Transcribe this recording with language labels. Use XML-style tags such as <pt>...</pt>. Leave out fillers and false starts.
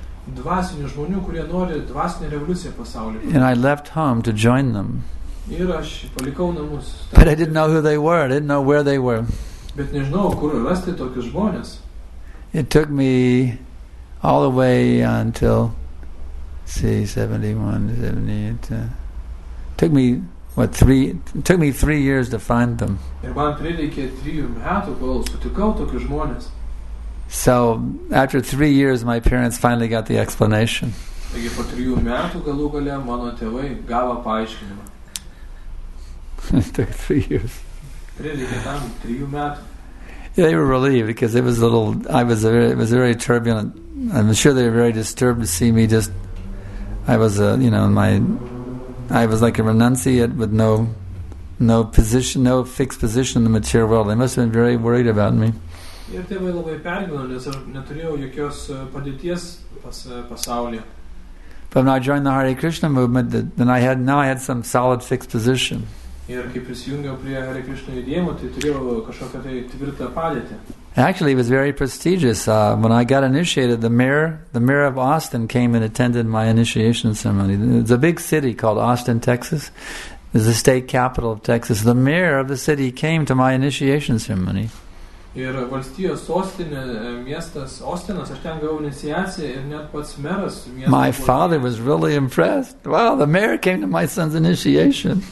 <lt>Dvasinių žmonių, kurie nori dvasinę revoliuciją pasaulyje.</lt> <en>And I left home to join them.</en> <lt>Ir aš palikau namus.</lt> <en>But I didn't know who they were. I didn't know where they were.</en> <lt>Bet nežinau, kur rasti tokius žmonės.</lt> <en>It took me all the way until, see, 71, 78. It took me three years to find them.</en> <lt>Ir man prireikė 3 metų, kol sutikau tokius žmonės.</lt> <en>So after 3 years, my parents finally got the explanation. It took 3 years. Yeah, they were relieved because it was a little. It was very turbulent. I'm sure they were very disturbed to see me. I was like a renunciate with no position, no fixed position in the material world. They must have been very worried about me.</en> <lt>Ir tėvai labai pergino, nes aš neturėjau jokios padėties pasaulyje.</lt> <en>But when I joined the Hare Krishna movement, then I had some solid fixed position.</en> <lt>Ir kai prisijungiau prie Hare Krishna judėjimo, tai turėjau kažkokią tai tvirtą padėtį.</lt> <en>Actually, it was very prestigious. When I got initiated, the mayor of Austin came and attended my initiation ceremony. It's a big city called Austin, Texas. is the state capital of Texas. The mayor of the city came to my initiation ceremony.</en> <lt>Ir valstijos sostinė, miestas Austinas, aš ten gavau iniciaciją ir net pats meras miestas.</lt> <en>My father was really impressed. Wow, the mayor came to my son's initiation.</en>